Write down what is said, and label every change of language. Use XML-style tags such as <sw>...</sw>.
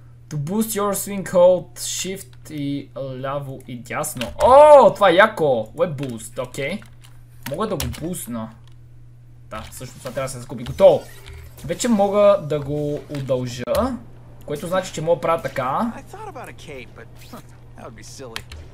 <en>To boost your swing, hold shift</en> <bg>и ляво и дясно. О, това е яко! Web boost. Окей. Мога да го бусна. Да, всъщност това трябва да се закупи. Готово! Вече мога да го удължа. Което значи, че мога да правя така.</bg> <en>I thought about a cape, but that would be silly.</en>